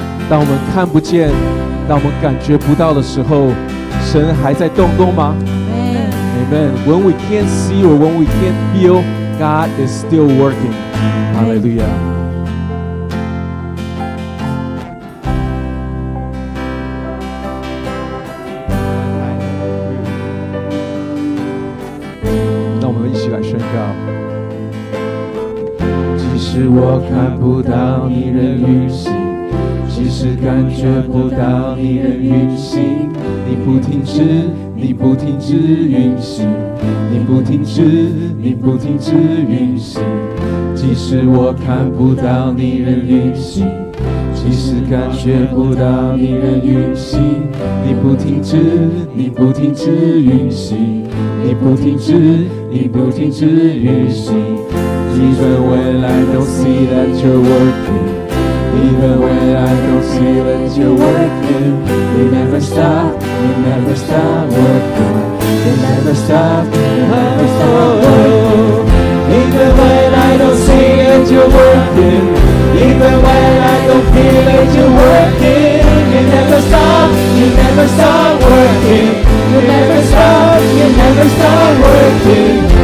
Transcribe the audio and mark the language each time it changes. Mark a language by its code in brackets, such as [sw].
[zh] 当我们看不见，当我们感觉不到的时候，神还在动工吗？ [en] Amen. Amen. When we can't see or when we can't feel, God is still working. Hallelujah. [zh] 让我们一起来宣告。即使我看不到你仍运行，即使感觉不到你仍运行，你不停止，你不停止运行，你不停止，你不停止运行。即使我看不到你仍运行，即使感觉不到你仍运行，你不停止，你不停止运行，你不停止，你不停止运行。 [en] Even when I don't see that you're working, even when I don't see that you're working, you never stop, you never stop working, you never stop, you never stop working. Even when I don't see that you're working, even when I don't feel that you're working, you never stop, you never stop working, you never stop, you never stop working.